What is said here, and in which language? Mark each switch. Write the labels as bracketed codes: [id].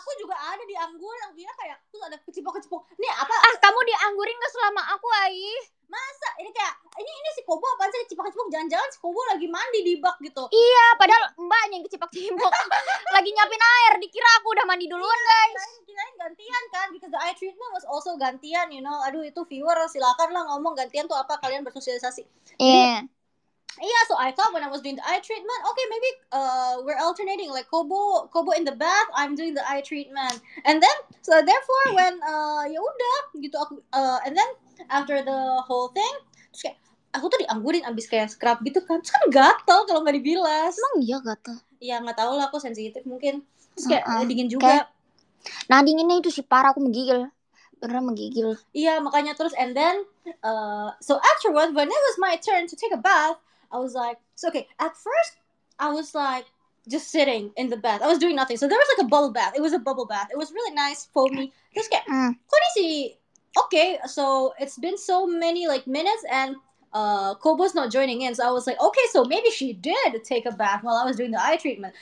[id] Aku juga ada dianggurin, dia kayak tuh ada kecipok-kecipok. Nih apa? Ah, kamu dianggurin enggak selama aku, Ai? Masa ini kayak ini si Kobo apa sih kecipok-kecipok, jangan-jangan si Kobo lagi mandi di bak gitu. Iya, padahal mbaknya yang kecipok-kecipok. Lagi nyiapin air, dikira aku udah mandi duluan, iya, guys. Kirain gantian kan, [en] because the eye treatment was also gantian, you know. [id] Aduh, itu viewer silakan lah ngomong gantian tuh apa, kalian bersosialisasi. Iya, [en] so I thought when I was doing the eye treatment, okay, maybe we're alternating, like Kobo in the bath, I'm doing the eye treatment. And then so therefore when [id] ya udah gitu aku [en] and then after the whole thing, [id] terus kayak aku tuh dianggurin abis kayak scrub gitu kan. Terus kan gatel kalau nggak dibilas. Emang iya gatel? Iya, nggak tahu lah, aku sensitif mungkin. Terus kayak dingin juga. Kayak, nah dinginnya itu sih parah, aku menggigil. Beneran menggigil. Iya, makanya terus [en] and then so afterwards when it was my turn to take a bath, I was like, so okay, at first I was like just sitting in the bath, I was doing nothing. So there was like a bubble bath, it was a bubble bath, it was really nice, foamy. [id] Terus kayak kondisi [en] okay, so it's been so many like minutes and Kobo's not joining in. So I was like, okay, so maybe she did take a bath while I was doing the eye treatment.